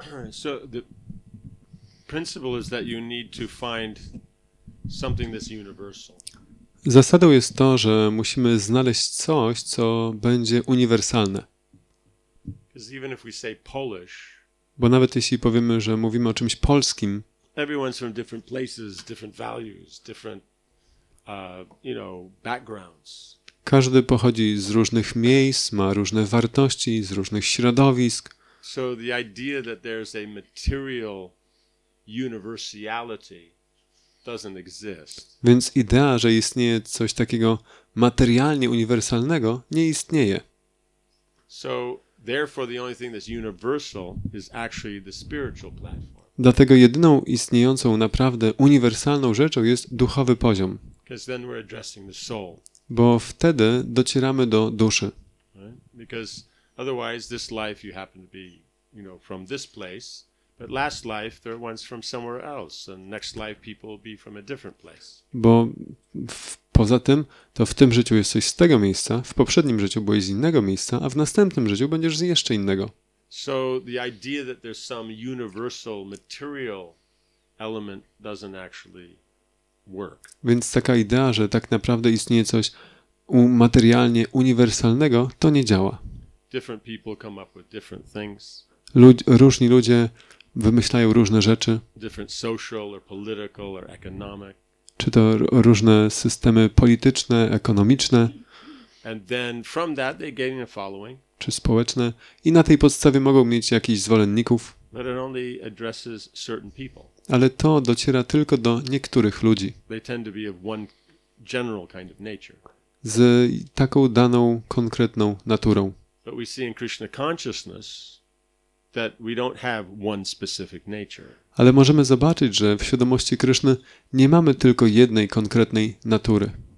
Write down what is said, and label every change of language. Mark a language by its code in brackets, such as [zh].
[en] So the principle is that you need to find something that's universal. [pl] Zasadą jest to, że musimy znaleźć coś, co będzie uniwersalne. [en] Because even if we say Polish, [pl] bo nawet jeśli powiemy, że mówimy o czymś polskim, [en] everyone's from different places, different values, different you know, backgrounds. [pl] Każdy pochodzi z różnych miejsc, ma różne wartości, z różnych środowisk. [en] So the idea that there's a material universality doesn't exist. [pl] Więc idea, że istnieje coś takiego materialnie uniwersalnego, nie istnieje. [en] So therefore the only thing that's universal is actually the spiritual platform. [pl] Dlatego jedyną istniejącą naprawdę uniwersalną rzeczą jest duchowy poziom. [en] Because then we're addressing the soul. [pl] Bo wtedy docieramy do duszy. [en] Right? Because otherwise this life you happen to be, you know, from this place, but last life there ones from somewhere else and next life people will be from a different place. [pl] Bo poza tym to w tym życiu jesteś z tego miejsca, w poprzednim życiu byłeś z innego miejsca, a w następnym życiu będziesz z jeszcze innego. [en] So the idea that there's some universal material element doesn't actually work. [pl] Więc taka idea, że tak naprawdę istnieje coś materialnie uniwersalnego, to nie działa. [en] Different people come up with different things. [pl] Różni ludzie wymyślają różne rzeczy. [en] Different social or political or economic. [pl] Czy to różne systemy polityczne, ekonomiczne. [en] And then from that they gain a following. [pl] Czy społeczne. I na tej podstawie mogą mieć jakichś zwolenników. [en] But it only addresses certain people. [pl] Ale to dociera tylko do niektórych ludzi. [en] They tend to be of one general kind of nature. [pl] Z taką daną konkretną naturą. [en] But we see in Krishna consciousness that we don't have one specific nature. [pl] Ale możemy zobaczyć, że w świadomości Kryszny nie mamy tylko jednej konkretnej natury.